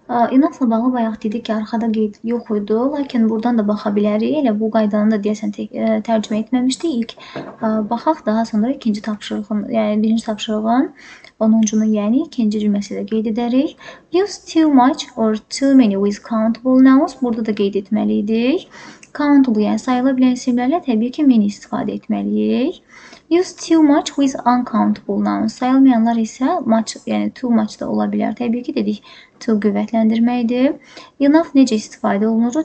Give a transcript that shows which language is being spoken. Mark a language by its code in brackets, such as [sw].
[az] İnafla bağlı bayaq dedik ki, arxada qeyd yox idi, lakin buradan da baxa bilərik. Elə bu qaydanı da deyəsən tərcümə etməmişdik. İlk baxaq, daha sonra ikinci tapşırığın, yəni birinci tapşırığın 10-cunu, yəni ikinci cümləsi də qeyd edərik. [en] Use too much or too many with countable nouns. [az] Burada da qeyd etməliyik. Countable, yəni sayıla bilən isimlərlə təbii ki, many istifadə etməliyik. [en] Use too much with uncountable nouns. [az] Sayılmayanlar isə much, yəni too much da ola bilər. Təbii ki, dedik, too qüvvətləndirməkdir. Enough necə istifadə olunur?